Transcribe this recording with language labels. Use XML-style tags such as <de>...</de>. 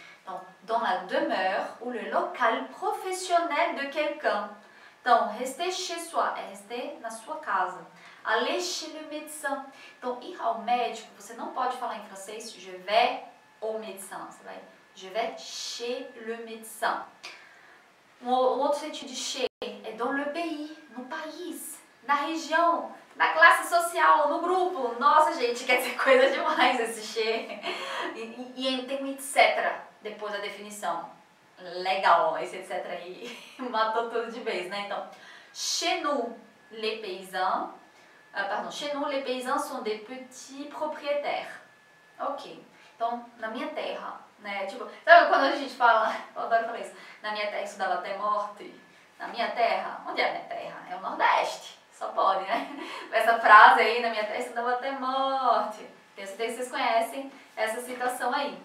<pt>Então, dans la demeure ou le local professionnel de quelqu'un. Então,</pt> <fr>rester chez soi</fr> <pt>é rester na sua casa.</pt> <fr>Aller chez le médecin.</fr> <pt>Então, ir ao médico, você não pode falar em francês</pt> <fr>je vais au médecin.</fr> <pt>Você vai</pt> <fr>je vais chez le médecin.</fr> <pt>Um outro sentido de chez é</pt> <fr>dans le pays,</fr> <pt>no país, na região. Na classe social, no grupo. Nossa, gente, quer dizer coisa demais esse che. E tem um etc. depois da definição. Legal, esse etc aí matou tudo de vez, né? Então,</pt> <fr>chez nous, les paysans. Chez nous, les paysans sont des petits propriétaires.</fr> <pt>Ok. Então, na minha terra, né? Tipo, sabe quando a gente fala, eu adoro falar isso, na minha terra estudava até morte. Na minha terra, onde é a minha terra? É o Nordeste. Só pode, né? Essa frase aí na minha testa dava até morte. Tenho certeza que vocês conhecem essa citação aí.</pt>